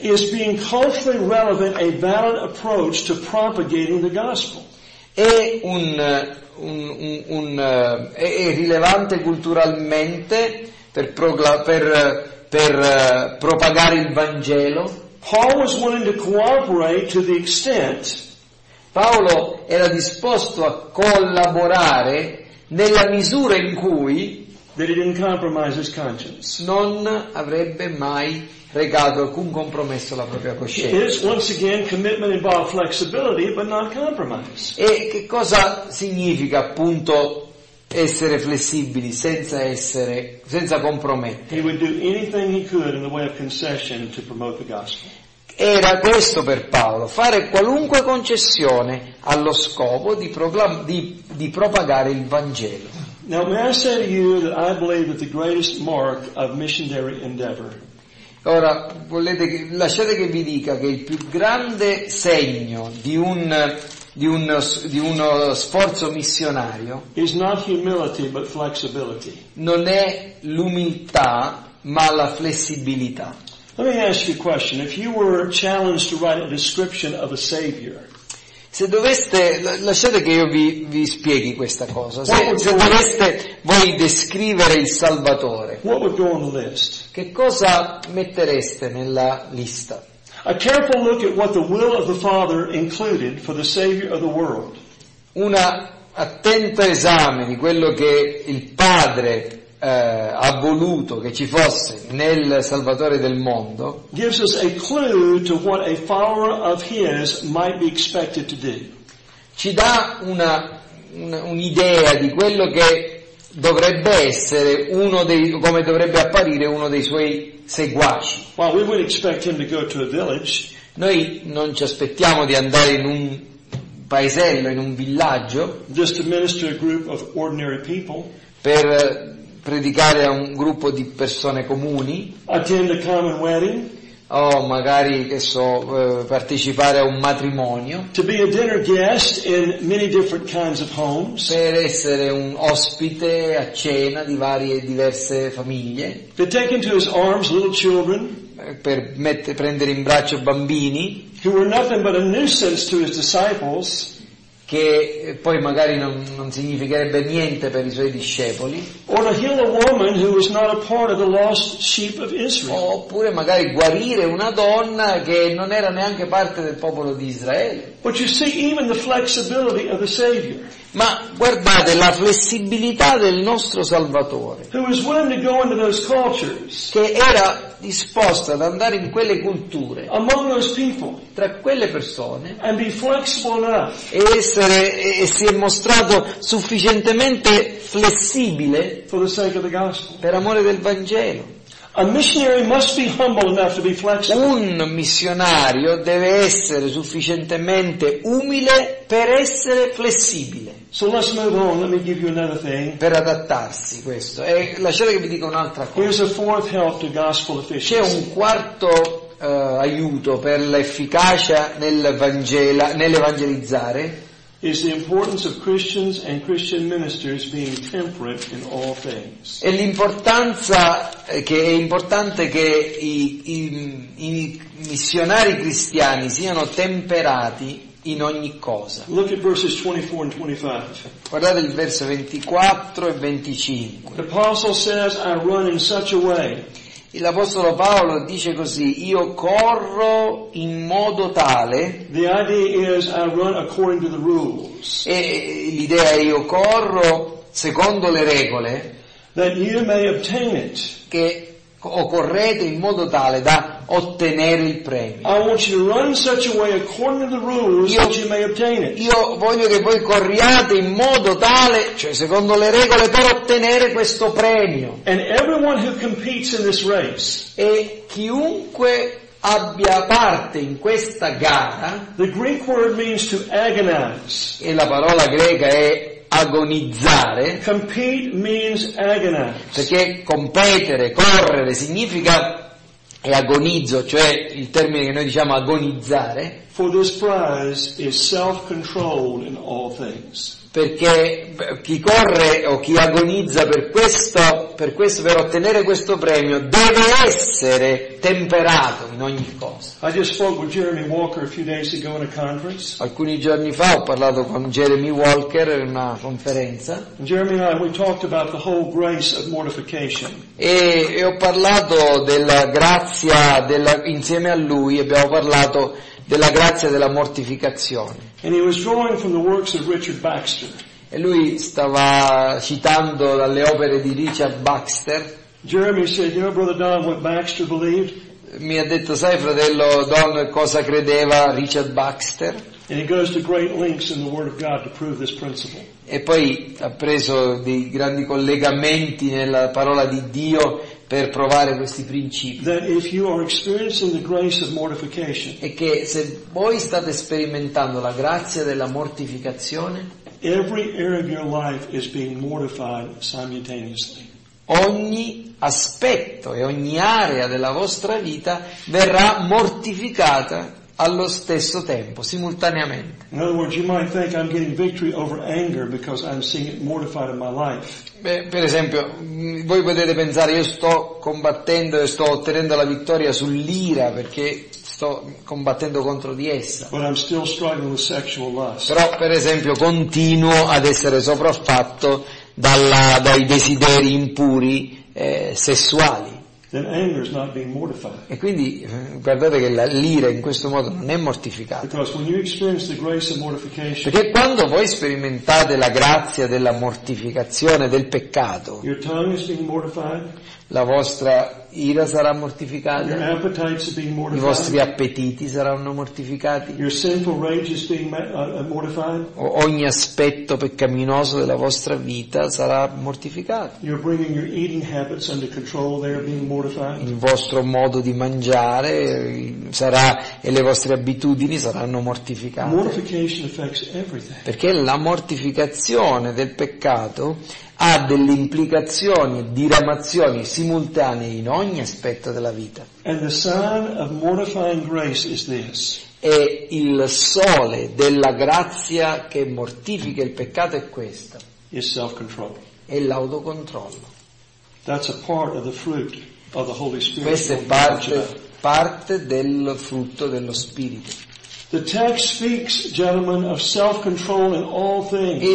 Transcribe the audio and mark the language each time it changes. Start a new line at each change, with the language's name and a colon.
English: Is being culturally relevant a valid approach to propagating the gospel?
Italian: È è rilevante culturalmente per propagare il Vangelo?
English: Paul was willing to cooperate to the extent.
Italian: Paolo era disposto a collaborare nella misura in cui
English: that he didn't compromise his conscience.
Italian: Non avrebbe mai regalato alcun compromesso alla propria coscienza.
English: It is once again commitment involved flexibility, but not compromise.
Italian: E che cosa significa appunto essere flessibili senza compromettere?
English: He would do anything he could in the way of concession to promote the gospel.
Italian: Era questo per Paolo, fare qualunque concessione allo scopo di propagare il Vangelo.
English: Now may I say to you that I believe that the greatest mark of missionary endeavor.
Italian: Ora lasciate che vi dica che il più grande segno di uno sforzo missionario
English: is not humility but flexibility.
Italian: Non è l'umiltà ma la flessibilità.
English: Let me ask you a question. If you were challenged to write a description of a savior.
Italian: Se doveste, lasciate che io vi spieghi questa cosa. Se doveste voi descrivere il Salvatore,
English: what would go on the list?
Italian: Che cosa mettereste nella lista?
English: A careful look at what the will of the Father included for the Savior of the world.
Italian: Un attento esame di quello che il Padre ha voluto che ci fosse nel Salvatore del mondo
English: gives us a clue to what a follower of his might be expected to do.
Italian: Ci dà un'idea di quello che dovrebbe essere come dovrebbe apparire uno dei suoi seguaci.
English: Well, we would expect him to go to a village.
Italian: Noi non ci aspettiamo di andare in un paesello, in un villaggio,
English: just to minister a group of ordinary people,
Italian: per predicare a un gruppo di persone comuni,
English: attend a common wedding,
Italian: o magari partecipare a un matrimonio,
English: to be a dinner guest in many different kinds of homes,
Italian: per essere un ospite a cena di varie diverse famiglie,
English: to take into his arms little children,
Italian: per prendere in braccio bambini,
English: who were nothing but a nuisance to his disciples,
Italian: che poi magari non significherebbe niente per i suoi discepoli, oppure magari guarire una donna che non era neanche parte del popolo di Israele.
English: But you see even the flexibility of the Savior.
Italian: Ma guardate la flessibilità del nostro Salvatore,
English: who was willing to go into those cultures,
Italian: che era disposto ad andare in quelle culture,
English: among those people,
Italian: tra quelle persone,
English: and be flexible enough,
Italian: e si è mostrato sufficientemente flessibile
English: for the sake of the gospel.
Italian: Per amore del Vangelo.
English: A missionary must be humble enough to be flexible.
Italian: Un missionario deve essere sufficientemente umile per essere flessibile.
English: So let's move on. Let me give you another thing.
Italian: Per adattarsi, questo. E lasciate che vi dica un'altra cosa.
English: Here's a fourth help to gospel efficiency.
Italian: C'è un quarto aiuto per l'efficacia nell'evangelizzare.
English: Is the importance of Christians and Christian ministers being temperate in all things.
Italian: È l'importanza che è importante che i missionari cristiani siano temperati in ogni cosa.
English: Look at verses 24 and 25.
Italian: Guardate il verso 24 e 25.
English: The apostle says, I run in such a way.
Italian: L'apostolo Paolo dice così: io corro in modo tale.
English: The idea is I run according to the rules.
Italian: E l'idea è io corro secondo le regole.
English: That you may obtain it.
Italian: Che occorrete in modo tale da ottenere il premio. Io voglio che voi corriate in modo tale, cioè secondo le regole, per ottenere questo premio.
English: And everyone who competes in this race,
Italian: e chiunque abbia parte in questa gara,
English: the Greek word means to agonize.
Italian: E la parola greca è agonizzare.
English: Compete means agonize.
Italian: Perché competere, correre significa, e agonizzo, cioè il termine che noi diciamo agonizzare.
English: For this prize is self-control in all things.
Italian: Perché chi corre o chi agonizza per questo, per ottenere questo premio, deve essere temperato in ogni cosa.
English: I just spoke with Jeremy Walker a few days ago in a conference.
Italian: Alcuni giorni fa ho parlato con Jeremy Walker in una conferenza.
English: Jeremy and I, we talked about the whole grace of mortification.
Italian: E ho parlato della grazia della, insieme a lui abbiamo parlato della grazia della mortificazione.
English: And he was drawing from the works of Richard Baxter.
Italian: E lui stava citando dalle opere di Richard Baxter.
English: Jeremy said, "You know, Brother Don, what Baxter believed?"
Italian: Mi ha detto, sai, fratello Don, cosa credeva Richard Baxter?
English: And he goes to great lengths in the Word of God to prove this principle.
Italian: E poi ha preso dei grandi collegamenti nella parola di Dio per provare questi principi.
English: That if you are experiencing the grace of mortification,
Italian: e che se voi state sperimentando la grazia della mortificazione,
English: every area of your life is being mortified simultaneously.
Italian: Ogni aspetto e ogni area della vostra vita verrà mortificata allo stesso tempo, simultaneamente.
English: In other words, you might think I'm getting victory over anger because I'm seeing it mortified in my life.
Italian: Beh, per esempio, voi potete pensare, io sto combattendo e sto ottenendo la vittoria sull'ira perché sto combattendo contro di essa.
English: But I'm still struggling with sexual lust.
Italian: Però, per esempio, continuo ad essere sopraffatto dai desideri impuri sessuali.
English: Then anger is not being mortified.
Italian: E quindi guardate che l'ira in questo modo non è mortificata.
English: Because when you experience the grace of mortification,
Italian: perché quando voi sperimentate la grazia della mortificazione del peccato,
English: your tongue is being mortified,
Italian: la vostra ira sarà mortificata,
English: your appetites are being mortified,
Italian: i vostri appetiti saranno mortificati,
English: your sinful rage is being mortified,
Italian: ogni aspetto peccaminoso della vostra vita sarà mortificato,
English: you're bringing your eating habits under control, they are being mortified,
Italian: il vostro modo di mangiare sarà, e le vostre abitudini saranno mortificate.
English: Mortification affects everything.
Italian: Perché la mortificazione del peccato ha delle implicazioni e diramazioni simultanee in ogni aspetto della vita.
English: And the sign of mortifying grace is this.
Italian: E il sole della grazia che mortifica il peccato è questo.
English: Is self-control.
Italian: È l'autocontrollo.
English: That's a part of the fruit of the Holy Spirit.
Italian: Questa è parte del frutto dello Spirito.
English: The text speaks, gentlemen, of self-control in all things.